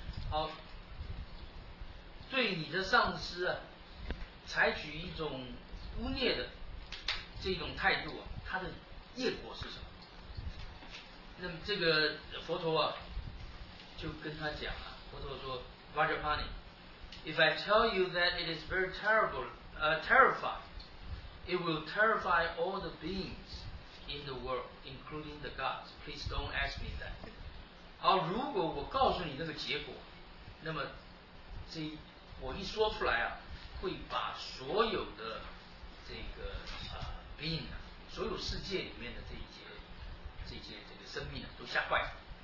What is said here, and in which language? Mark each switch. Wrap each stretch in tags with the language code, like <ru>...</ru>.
<zh>好，对你的上司啊，采取一种污蔑的这种态度啊，他的业果是什么？那么这个佛陀啊，就跟他讲啊，佛陀说</zh> <en>，Vajrapani， if I tell you that it is very terrible, terrifying, it will terrify all the beings in the world, including the gods. Please don't ask me that.</en> <zh>好，如果我告诉你那个结果。那么这我一说出来啊，会把所有的这个being 啊，所有世界里面的这些这个生命啊都吓坏。</zh>